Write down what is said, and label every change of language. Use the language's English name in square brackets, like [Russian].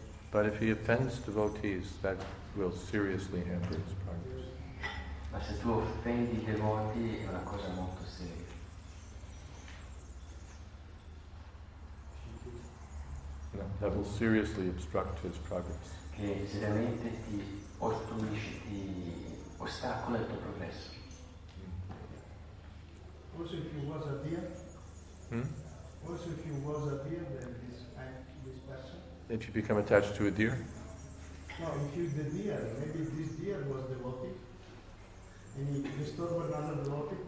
[English] But if he offends devotees, that will seriously hamper his progress. [Italian] Ma se tu offendi i devoti è una cosa molto seria. [English] No, that will seriously obstruct his progress. [Italian] Che seriamente ti ostruisce, ti ostacola il tuo progresso. Forse [English] if he was a deer. Also, if you was a deer, then this person. If you become attached to a deer. No, if you the deer, maybe this deer was devotee, and he disturbed another devotee.